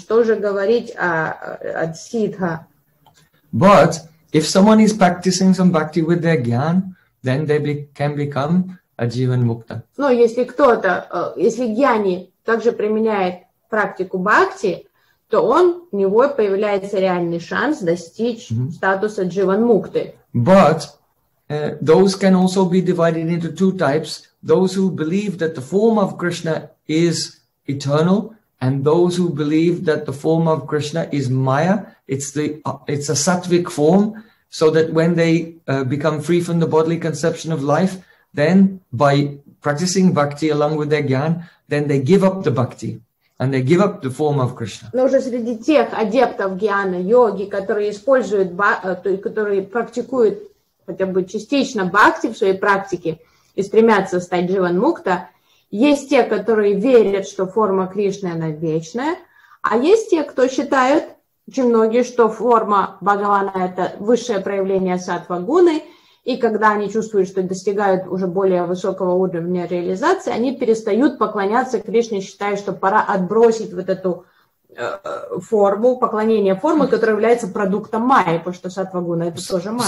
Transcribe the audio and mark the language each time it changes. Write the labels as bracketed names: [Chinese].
[Russian] Что же говорить о Сиддха? [English] But if someone is practicing some bhakti with their jnana, then they can become a Jivan Mukta. [Russian] Но если кто-то, если гьяни также применяет практику бхакти, то он, у него появляется реальный шанс достичь mm-hmm. статуса Jivan Mukta. [English] But those can also be divided into two types. Those who believe that the form of Krishna is eternal, and those who believe that the form of Krishna is Maya, it's a sattvic form, so that when they become free from the bodily conception of life, then by practicing bhakti along with their jnana, then they give up the bhakti, and they give up the form of Krishna. [Russian] Но уже среди тех адептов jnana, йоги, которые используют, которые практикуют хотя бы частично бхакти в своей практике и стремятся стать Jivan Mukta, есть те, которые верят, что форма Кришны, она вечная, а есть те, кто считают, очень многие, что форма Бхагавана – это высшее проявление сатва-гуны, и когда они чувствуют, что достигают уже более высокого уровня реализации, они перестают поклоняться Кришне, считая, что пора отбросить вот эту форму, поклонение формы, которая является продуктом майи, потому что сатва-гуна – это тоже майя.